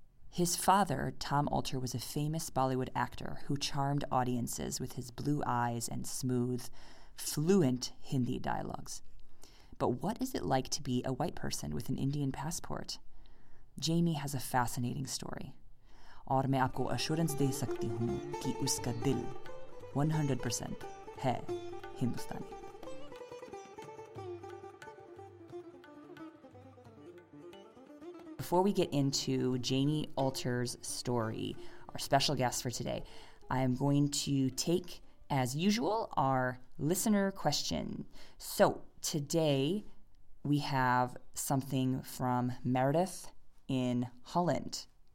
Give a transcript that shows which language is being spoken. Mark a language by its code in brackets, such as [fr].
[en] His father, Tom Alter, was a famous Bollywood actor who charmed audiences with his blue eyes and smooth, fluent Hindi dialogues. But what is it like to be a white person with an Indian passport? Jamie has a fascinating story. [hi] और मैं आपको assurance दे सकती हूँ कि उसका दिल 100% है हिंदुस्तानी. [en] Before we get into Jamie Alter's story, our special guest for today, I am going to take, as usual, our listener question. So today we have something from Meredith in Holland.